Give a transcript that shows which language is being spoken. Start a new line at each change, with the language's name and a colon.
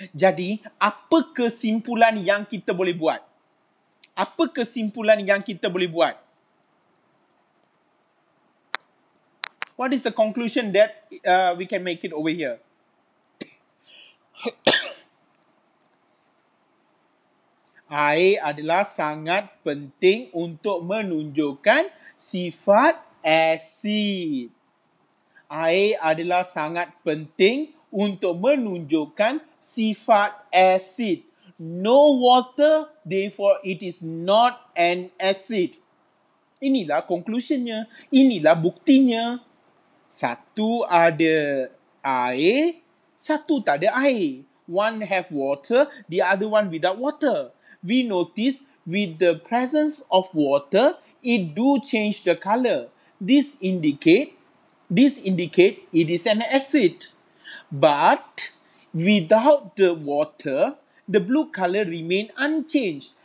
Malay: Jadi, apa kesimpulan yang kita boleh buat? Apa kesimpulan yang kita boleh buat?
English: What is the conclusion that we can make it over here?
Malay: Air adalah sangat penting untuk menunjukkan sifat asid. Air adalah sangat penting untuk menunjukkan sifat asid.
English: No water, therefore it is not an acid.
Malay: Inilah conclusionnya. Inilah buktinya. Satu ada air, satu tak ada air.
English: one have water, the other one without water. We notice with the presence of water, it do change the color. This indicate it is an acid. But without the water, the blue color remain unchanged.